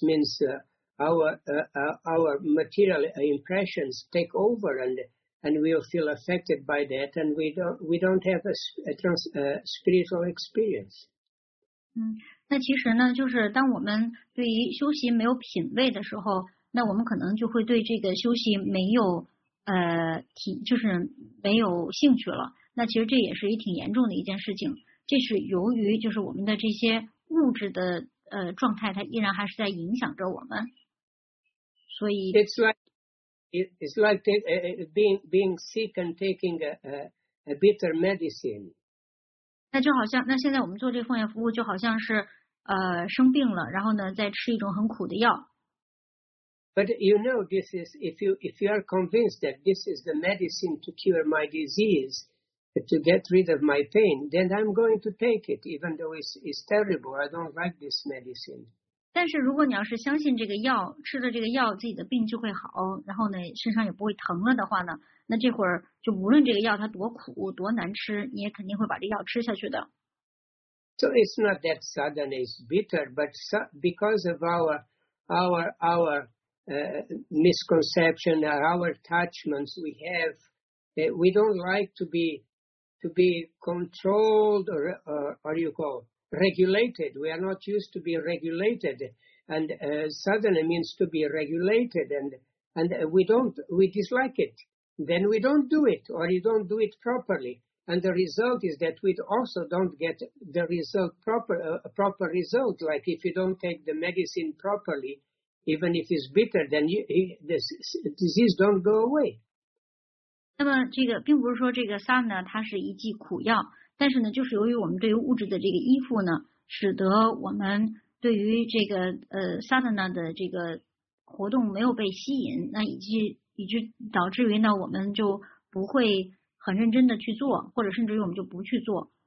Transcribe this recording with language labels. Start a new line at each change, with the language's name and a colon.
English: Means our material impressions take over, and we'll feel affected by that, and we don't have a spiritual experience.
Chinese: 那其实呢，就是当我们对于修习没有品味的时候，那我们可能就会对这个修习没有。就是没有兴趣了，那其实这也是一挺严重的一件事情，这是由于就是我们的这些物质的状态它依然还是在影响着我们，所以
English: it's like being sick and taking a, a, a bitter medicine.
Chinese: 那就好像，那现在我们做这奉献服务，就好像是生病了，然后呢，再吃一种很苦的药。
English: But you know, this is if you are convinced that this is the medicine to cure my disease, to get rid of my pain, then I'm going to take it, even though it's terrible. I don't like this medicine.
Chinese: 但是如果你要是相信这个药，吃了这个药，自己的病就会好，然后呢，身上也不会疼了的话呢，那这会儿就无论这个药它多苦多难吃，你也肯定会把这药吃下去的。
English: So it's not that sudden, it's bitter, but because of our misconception, our attachments we have, we don't like to be controlled or you call regulated. We are not used to be regulated, and suddenly means to be regulated, and we dislike it. Then we don't do it, or you don't do it properly, and the result is that we also don't get the result proper result. Like if you don't take the medicine properly. Even if it's bitter, then the disease don't go away.
Chinese: 那么这个并不是说这个萨呢，它是一剂苦药，但是呢，就是由于我们对于物质的这个依附呢，使得我们对于这个萨呢的这个活动没有被吸引，那以及导致于呢，我们就不会很认真的去做，或者甚至于我们就不去做。